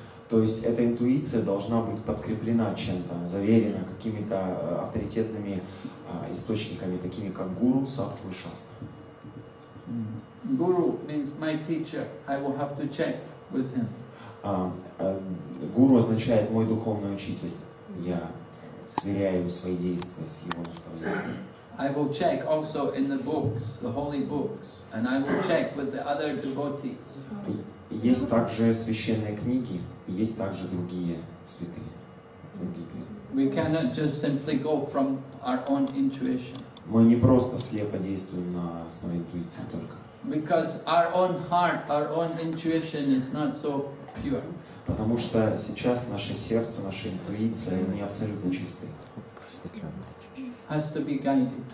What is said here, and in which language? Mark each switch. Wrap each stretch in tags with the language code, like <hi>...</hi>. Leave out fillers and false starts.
<ru>То есть эта интуиция должна быть подкреплена чем-то, заверена какими-то авторитетными источниками, такими как гуру, садху и шастра.</ru> <en>Guru means my teacher. I will have to check with him.</en> <ru>Гуру означает мой духовный учитель. Я сверяю свои действия с его наставлениями.</ru> <en>I will check also in the books, the holy books, and I will check with the other devotees.</en> <ru>Есть также священные книги, есть также другие святые.</ru> <en>We cannot just simply go from our own intuition.</en> <ru>Мы не просто слепо действуем на основе интуиции только.</ru> <en>Because our own heart, our own intuition is not so pure.</en> <ru>Потому что сейчас наше сердце, наша интуиция не абсолютно чисты.</ru> <en>Has to be guided.</en>